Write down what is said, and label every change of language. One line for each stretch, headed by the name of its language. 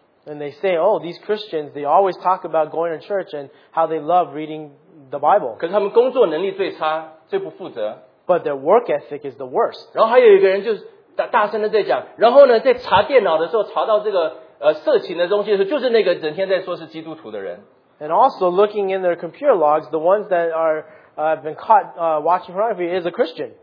English: And they say, oh, these Christians, they always talk about going to church and how they love reading the Bible.
Chinese: 可是他们工作能力最差，最不负责.
English: But their work ethic is the worst.
Chinese: 然后还有一个人就是 大声的在讲，然后呢，在查电脑的时候查到这个色情的东西的时候，就是那个整天在说是基督徒的人。
English: And also looking in their computer logs, the ones that are been caught watching pornography is a Christian.